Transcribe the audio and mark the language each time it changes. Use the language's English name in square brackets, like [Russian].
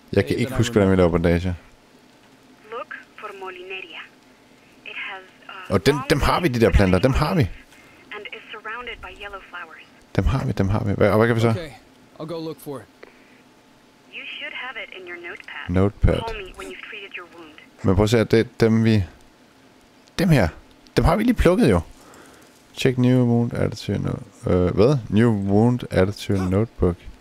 [Danish] Jeg kan ikke huske, hvordan vi laver bandager. [English] Look for Molineria. It has [Danish] og dem har vi, de der planter. Dem har vi. [English] And is surrounded by yellow flowers. [Danish] Dem har vi. Hvad kan vi så? [English] Okay. I'll go look for it. You should have it in your notepad. Notepad. Call me when you've treated your wound. [Danish] Men prøv at se, det er dem vi... Dem her. Dem har vi lige plukket jo. [English] Check new wound added to your note... [Danish] hvad? [English] New wound added to your notebook.